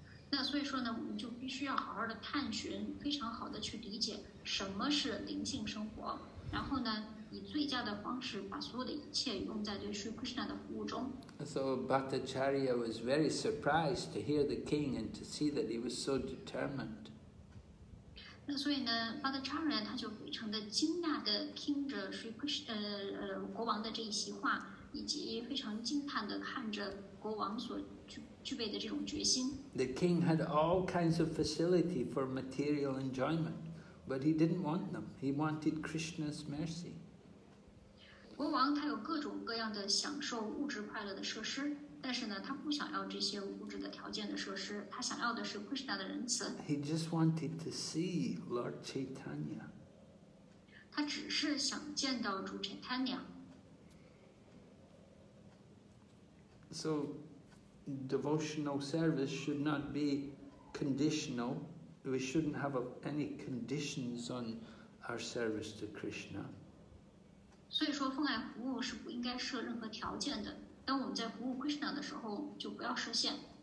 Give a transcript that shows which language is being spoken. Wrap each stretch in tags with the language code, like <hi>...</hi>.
<zh>那所以说呢，我们就必须要好好的探寻，非常好的去理解什么是灵性生活，然后呢，以最佳的方式把所有的一切用在对 Sri Krishna 的服务中。</zh> <en>So Bhattacharya was very surprised to hear the king and to see that he was so determined.</en> <zh>那所以呢，巴德查人他就非常的惊讶的听着Sri Krishna国王的这一席话，以及非常惊叹的看着国王所具备的这种决心。</zh> <en>The king had all kinds of facility for material enjoyment, but he didn't want them. He wanted Krishna's mercy.</en> <zh>国王他有各种各样的享受物质快乐的设施。但是呢，他不想要这些物质的条件的设施，他想要的是 Krishna 的仁慈。</zh> <en>He just wanted to see Lord Chaitanya.</en> <zh>他只是想见到主 Chaitanya.</zh> <en>So, devotional service should not be conditional. We shouldn't have any conditions on our service to Krishna.</en> <zh>所以说奉爱服务是不应该设任何条件的。当我们在服务 Krishna 的时候，就不要设限。</zh>